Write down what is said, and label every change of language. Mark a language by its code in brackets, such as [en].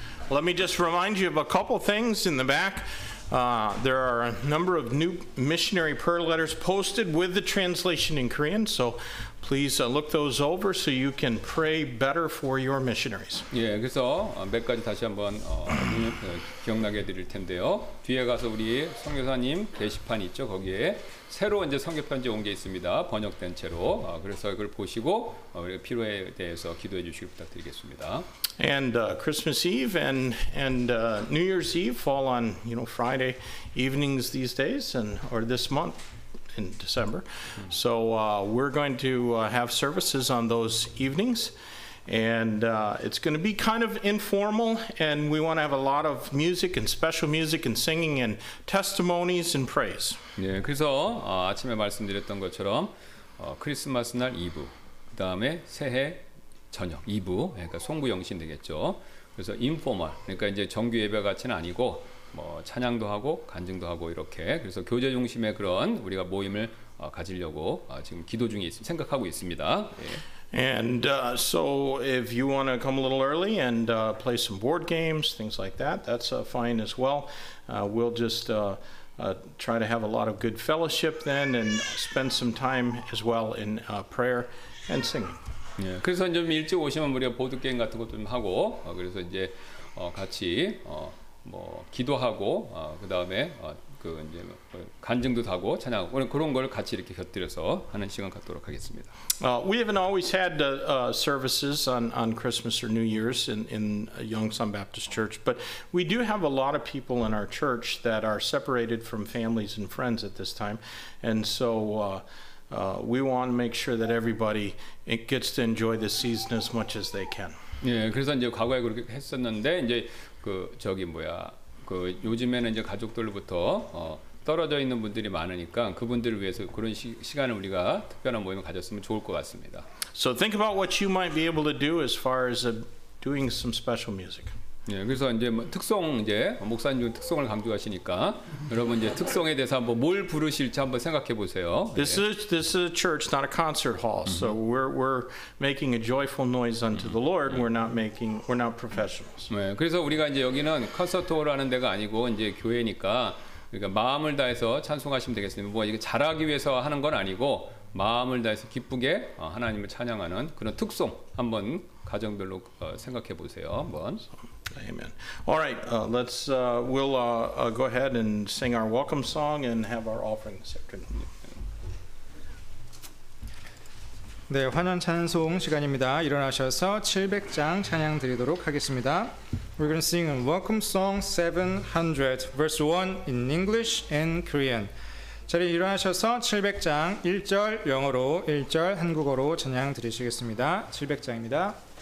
[en] Let me just remind you of a couple things in the back. There are a number of new missionary prayer letters posted with the translation in Korean, so please look those over so you can pray better for your missionaries. [ko] 예, 그래서 몇 가지 다시 한번 기억나게 드릴 텐데요. 뒤에 가서 우리 선교사님 게시판 있죠? 거기에 새로 이제 선교편지 온 게 있습니다. 번역된 채로. 그래서 그걸 보시고 우리 필요에 대해서 기도해 주시길 부탁드리겠습니다. [en] And Christmas Eve and New Year's Eve fall on, you know, Friday evenings these days and or this month in December. So we're going to have services on those evenings. And it's going to be kind of informal, and we want to have a lot of music and special music and singing and testimonies and praise. [ko] 네, 그래서 아침에 말씀드렸던 것처럼 크리스마스 날 이브, 그다음에 새해 저녁 이브, 그러니까 송구 영신 되겠죠. 그래서 인포멀, 그러니까 이제 정규 예배 같이는 아니고 뭐 찬양도 하고 간증도 하고 이렇게 그래서 교제 중심의 그런 우리가 모임을 가지려고 지금 기도 중에 생각하고 있습니다. 예. [en] And so if you want to come a little early and play some board games, things like that, that's fine as well. We'll just try to have a lot of good fellowship then and spend some time as well in prayer and singing. [ko] 예, 그래서 좀 일찍 오시면 우리가 보드게임 같은 것도 좀 하고 그래서 이제 같이 뭐 기도하고 그다음에 그 이제 간증도 하고 찬양 오늘 그런 걸 같이 이렇게 곁들여서 하는 시간 갖도록 하겠습니다. [en] We haven't always had services on Christmas or New Year's in Yongsan Baptist Church, but we do have a lot of people in our church that are separated from families and friends at this time, and so we want to make sure that everybody gets to enjoy this season as much as they can. [ko] 예, 그래서 이제 과거에 그렇게 했었는데 이제 그 저기 뭐야. 그 요즘에는 이제 가족들부터 떨어져 있는 분들이 많으니까 그분들을 위해서 그런 시간을 우리가 특별한 모임을 가졌으면 좋을 것 같습니다. [en] So think about what you might be able to do as far as doing some special music. [ko] 예, 그래서 이제 뭐 특송 이제 목사님 특송을 강조하시니까 여러분 이제 특송에 대해서 한번 뭘 부르실지 한번 생각해 보세요. [en] This is a church, not a concert hall. So we're making a joyful noise unto the Lord. We're not professionals. [ko] 예, 그래서 우리가 이제 여기는 콘서트홀 하는 데가 아니고 이제 교회니까 그러니까 마음을 다해서 찬송하시면 되겠습니다. 뭐 이게 잘하기 위해서 하는 건 아니고 마음을 다해서 기쁘게 하나님을 찬양하는 그런 특송 한번 가정별로 생각해 보세요. 한번. [en] Amen. All right, let's we'll go ahead and sing our welcome song and have our offering this afternoon. [ko] 네, 환영 찬송 시간입니다. 일어나셔서 700장 찬양 드리도록 하겠습니다. [en] We're going to sing a welcome song 700 verse 1 in English and Korean. [ko] 자리 일어나셔서 700장 1절 영어로 1절 한국어로 찬양 드리시겠습니다. 700장입니다.